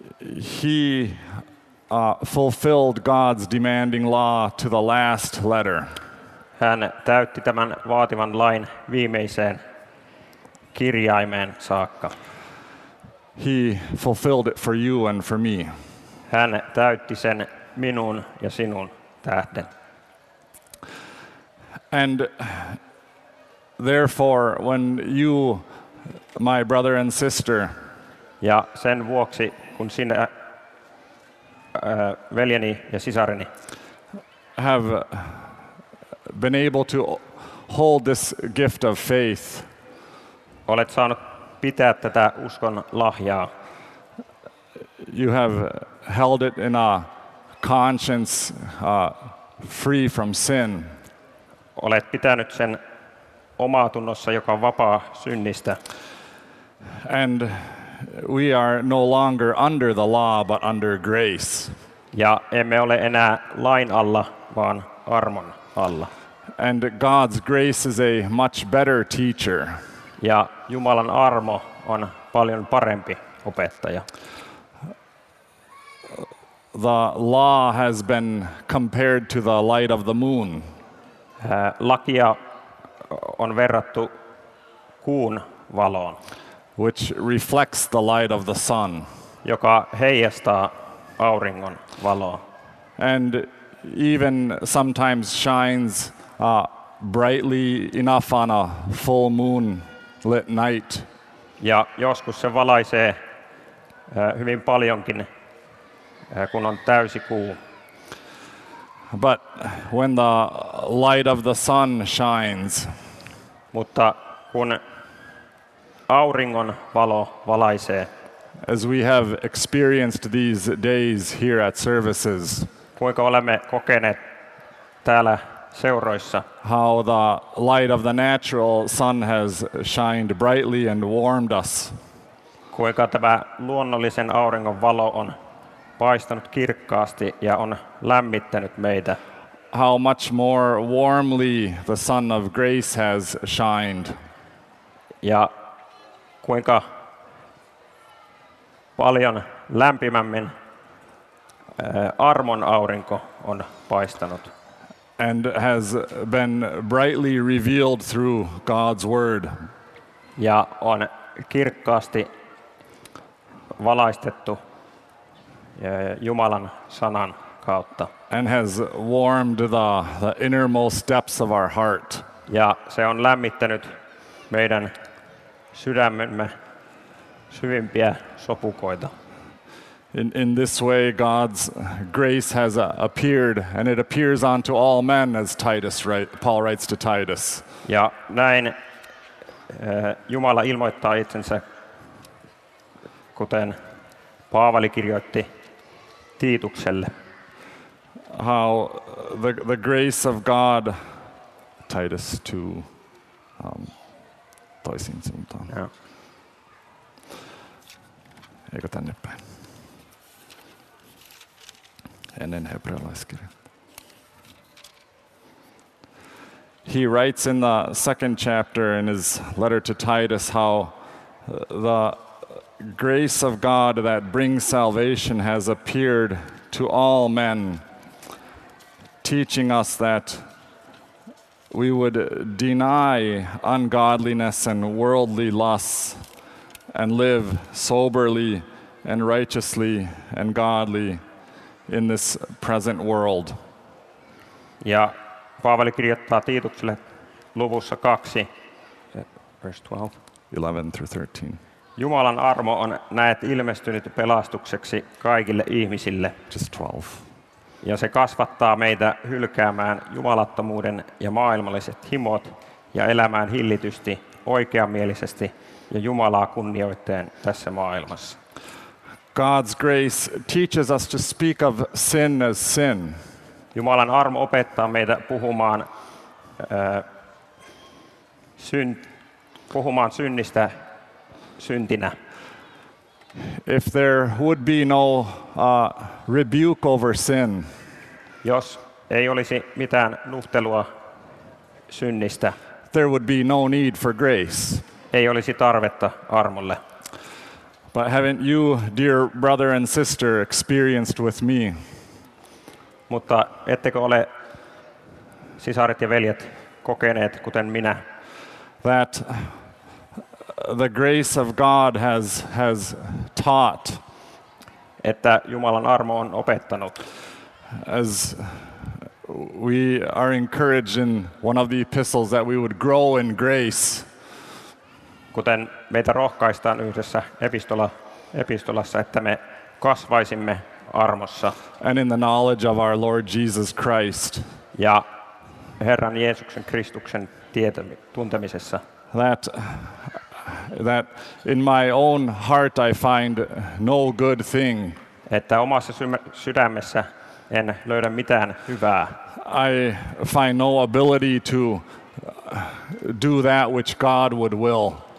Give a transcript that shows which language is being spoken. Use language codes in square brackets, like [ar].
[en] He fulfilled God's demanding law to the last letter. [fi] Hän täytti tämän vaativan lain viimeiseen kirjaimeen saakka. [en] He fulfilled it for you and for me. [fi] Hän täytti sen minun ja sinun tähden. [en] And therefore, when you, my brother and sister, [fi] ja sen vuoksi, kun sinä, veljeni ja sisareni, [en] have been able to hold this gift of faith? [fi] Olet saanut pitää tätä uskon lahjaa. [en] You have held it in a conscience free from sin. [fi] Olet pitänyt sen omaa tunnossa, joka on vapaa synnistä. [en] And we are no longer under the law, but under grace. [fi] Ja emme ole enää lain alla, vaan armon alla. [en] And God's grace is a much better teacher. [fi] Ja Jumalan armo on paljon parempi opettaja. [en] The law has been compared to the light of the moon. [fi] Lakia on verrattu kuun valoon. [en] Which reflects the light of the sun. [fi] Joka heijastaa auringon valoa. [en] And even sometimes shines brightly enough on a full moon lit night. [fi] Ja joskus se valaisee hyvin paljonkin, kun on täysi kuu. [en] But when the light of the sun shines, [fi] mutta kun auringon valo valaisee, [en] as we have experienced these days here at services, [fi] kuinka olemme kokeneet täällä seuroissa, [en] how the light of the natural sun has shined brightly and warmed us, [fi] kuinka tämä luonnollisen auringon valo on paistanut kirkkaasti ja on lämmittänyt meitä. [en] How much more warmly the sun of grace has shined. [fi] Ja kuinka paljon lämpimämmin armon aurinko on paistanut. [en] And has been brightly revealed through God's word. [fi] Ja on kirkkaasti valaistettu Jumalan sanan kautta. [en] And has warmed the innermost depths of our heart. [fi] Ja se on lämmittänyt meidän sydämemme syvimpiä sopukoita. [en] In this way God's grace has appeared and it appears unto all men, as Paul writes to Titus. [fi] Ja näin Jumala ilmoittaa itsensä, kuten Paavali kirjoitti Tiitukselle. [en] How the grace of God, Titus 2, [fi] toisin suuntaan. Joo. Eikö tänne päin? Ennen hebrealaiskirjaa. [en] He writes in the second chapter in his letter to Titus how the grace of God that brings salvation has appeared to all men, teaching us that we would deny ungodliness and worldly lusts and live soberly and righteously and godly in this present world. [fi] Ja Paavali kirjoittaa Tiitukselle luvussa 2, [en] verse 12. 11 through 13. [fi] Jumalan armo on näet ilmestynyt pelastukseksi kaikille ihmisille. [en] Just 12. [fi] Ja se kasvattaa meitä hylkäämään jumalattomuuden ja maailmalliset himot ja elämään hillitysti, oikeamielisesti ja Jumalaa kunnioittaen tässä maailmassa. [en] God's grace teaches us to speak of sin as sin. [fi] Jumalan armo opettaa meitä puhumaan puhumaan synnistä syntinä. [en] If there would be no rebuke over sin, [fi] jos ei olisi mitään nuhtelua synnistä, [en] there would be no need for grace. [fi] Ei olisi tarvetta armolle. [en] But haven't you, dear brother and sister, experienced with me? [fi] Mutta ettekö ole sisaret ja veljet kokeneet kuten minä? [en] That the grace of God has taught, [fi] että Jumalan armo on opettanut. [en] As we are encouraged in one of the epistles that we would grow in grace. [fi] Kuten meitä rohkaistaan yhdessä epistolassa, että me kasvaisimme armossa. [en] And in the knowledge of our Lord Jesus Christ. [fi] Ja Herran Jeesuksen Kristuksen tuntemisessa. [en] That in my own heart I find no good thing. [fi] Että omassa sydämessä en löydä mitään hyvää. [en] I find no ability to do that which God would will.